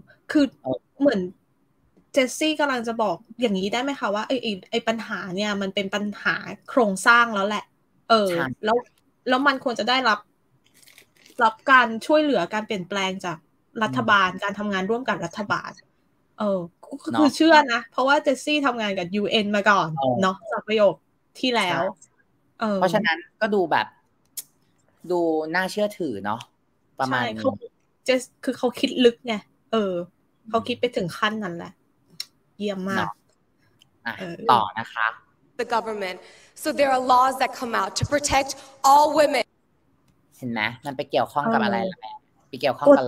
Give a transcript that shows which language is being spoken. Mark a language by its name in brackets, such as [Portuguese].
[Thai] คือเหมือนเจสซี่กำลังจะบอกอย่างนี้ได้ไหมคะว่าไอ้ปัญหาเนี่ยมันเป็นปัญหาโครงสร้างแล้วแหละแล้วมันควรจะได้รับการช่วยเหลือการเปลี่ยนแปลงจากรัฐบาลการทำงานร่วมกับรัฐบาลคือเชื่อนะเพราะว่าเจสซี่ทำงานกับ UN มาก่อนเนาะจากประโยคที่แล้ว เพราะฉะนั้นก็ดูแบบดูน่าเชื่อถือเนาะประมาณนี้ คือเขาคิดลึกไงเขาคิดไปถึงขั้นนั้นแหละเยี่ยมมาก ต่อนะคะ [English] The government so there are laws that come out to protect all women [Thai] เห็นไหมมันไปเกี่ยวข้องกับอะไรล่ะไปเกี่ยวข้องกับ